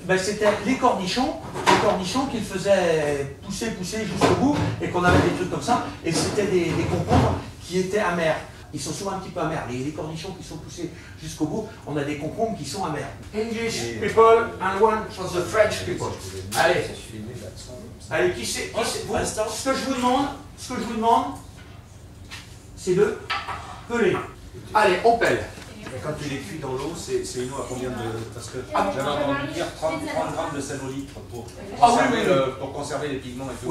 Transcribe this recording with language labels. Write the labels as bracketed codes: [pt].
[fr] C'était les cornichons qu'ils faisaient pousser jusqu'au bout, et qu'on avait des trucs comme ça, et c'était des concombres qui étaient amers. Ils sont souvent un petit peu amers, les cornichons qui sont poussés jusqu'au bout, on a des concombres qui sont amers. [en] English people and one for the French people. [fr] Allez, ce que je vous demande, c'est de peler. Allez, on pèle. Et quand tu les cuis dans l'eau, c'est une eau à combien de... Parce que j'avais entendu dire 30 grammes de sel au litre pour conserver les pigments et tout.